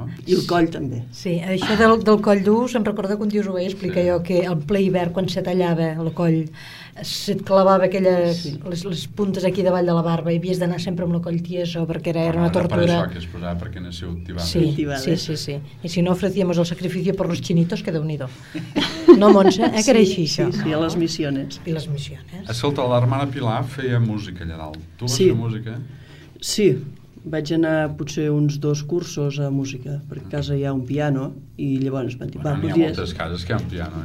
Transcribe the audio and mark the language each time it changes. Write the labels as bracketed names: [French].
[Catalan] I el coll també. Sí, això del coll dur, se'm recorda que un dia us ho vaig explicar jo, que el ple hivern, quan se tallava el coll, se't clavava les puntes aquí davall de la barba i havies d'anar sempre amb el coll tieso perquè era una tortura. Per això que es posava perquè n'ha sigut tibada. Sí. I si no, [Spanish] ofrecíamos el sacrificio por los chinitos, [Catalan] que déu-n'hi-do. No, Montse, que era així, això. Sí, a les missiones. I les missiones. Escolta, l'hermana Pilar feia música allà dalt. Tu vas fer música? Sí. Vaig anar potser uns 2 cursos a música, perquè a casa hi ha un piano, i llavors van dir... Hi ha moltes cases que hi ha un piano.